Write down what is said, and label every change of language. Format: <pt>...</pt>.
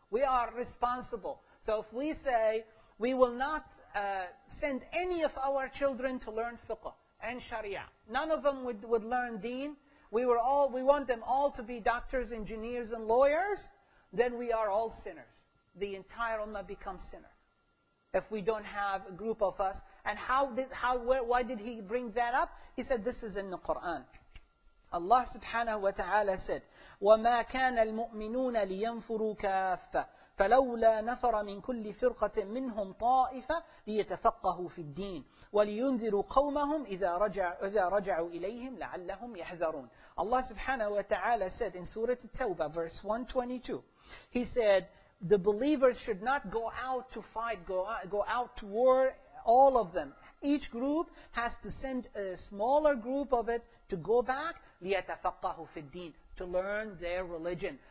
<en>We are responsible. So if we say, we will not send any of our children to learn fiqh and sharia, none of them would learn deen, we want them all to be doctors, engineers, and lawyers, then we are all sinners. The entire ummah becomes sinner if we don't have a group of us. And why did he bring that up? He said, this is in the Qur'an. Allah subhanahu wa ta'ala said,</en> <ar>وَمَا كَانَ الْمُؤْمِنُونَ لِيَنْفُرُوا كَافَّةً فَلَوْلَا نَفَرَ مِنْ كُلِّ فِرْقَةٍ مِّنْهُمْ طَائِفَةٍ لِيَتَفَقَّهُوا فِي الدِّينِ وَلِيُنذِرُوا قَوْمَهُمْ إِذَا رَجَعُوا إِلَيْهِمْ لَعَلَّهُمْ يَحْذَرُونَ.</ar> <en>Allah subhanahu wa ta'ala said in Surah At-Tawbah, verse 122, he said, the believers should not go out to fight, go out to war, all of them. Each group has to send a smaller group of it to go back,</en> <ar>لِيَتَفَقَّهُوا فِي الدِّينِ,</ar> <en>to learn their religion.</en>